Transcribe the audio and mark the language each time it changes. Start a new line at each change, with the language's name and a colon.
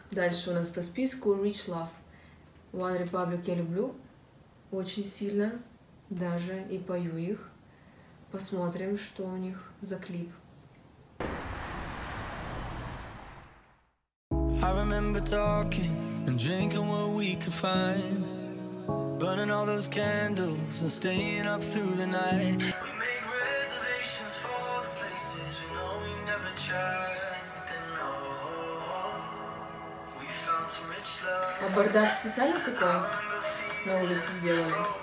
Russian: Дальше у нас по списку Rich Love. One Republic я люблю очень сильно, даже и пою их. Посмотрим, что у них за клип.
English: I remember talking and drinking what we could find. Burning all those candles and staying up through the night. We made reservations for the places we know we never tried. And oh, we found some rich love.
Russian: А бардак специально такой на улице сделали?